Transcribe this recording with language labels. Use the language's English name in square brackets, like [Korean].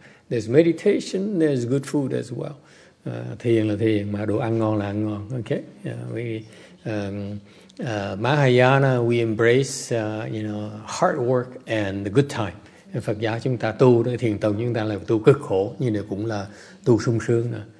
[English] There's meditation, there's good food as well. [Vietnamese] Thiền là thiền, mà đồ ăn ngon là ăn ngon. [English] Okay. Mahayana, we embrace you know, hard work and the good time. [Vietnamese] Phật giáo chúng ta tu, thiền tông chúng ta là tu cực khổ, nhưng mà cũng là tu sung sướng.